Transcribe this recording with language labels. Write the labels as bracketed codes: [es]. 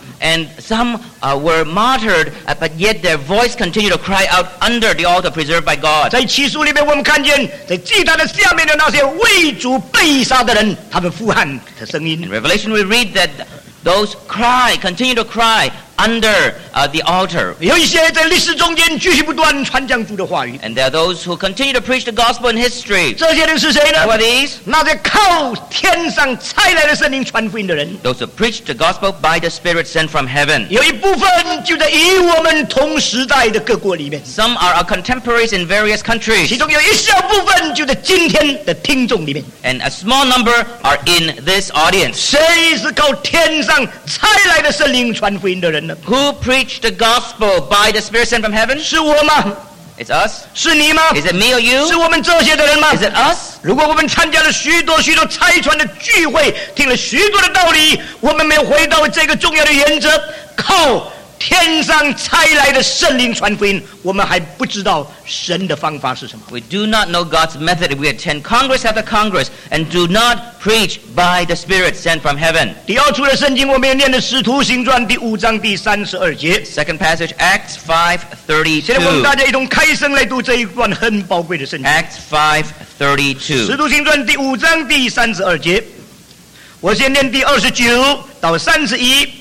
[en] And some were martyred, but yet their voice continued to cry out under the altar preserved by God. [zh] 在启示录里面，我们看见在祭坛的下面的那些为主被杀的人，他们呼喊的声音。 [en] In Revelation, we read that those cry, continue to cry under the altar. [zh] 有一些在历史中间继续不断传讲主的话语。 [en] And there are those who continue to preach the gospel in history. [zh] 这些人是谁呢？ [en] Who are these? [zh] 那些靠天上差来的圣灵传福音的人。 [en] Those who preach the gospel by the Spirit sent from heaven. [zh] 有一部分就在与我们同时代的各国里面。 [en] Some are our contemporaries in various countries. [zh] 其中有一小部分就在今天的听众里面。 [en] And a small number are in this audience. [zh] 谁是靠天上差来的圣灵传福音的人？ [en] Who preached the gospel by the Spirit sent from heaven? [zh] 是我吗？ [en] It's us. [zh] 是你吗？ [en] Is it me or you? [zh] 是我们这些的人吗？ [en] Is it us? [zh] 如果我们参加了许多许多差传的聚会，听了许多的道理，我们没有回到这个重要的原则，靠天上差来的圣灵传福音，我们还不知道神的方法是什么。 [en] We do not know God's method if we attend Congress after Congress and do not preach by the Spirit sent from heaven. [zh] 第二处的圣经我们要念的《使徒行传》第五章第三十二节。 [en] Second passage, Acts 5:32. [zh] 现在我们大家一同开声来读这一段很宝贵的圣经。 [en] Acts 5:32. [zh] 使徒行传第五章第三十二节。我先念第二十九到三十一。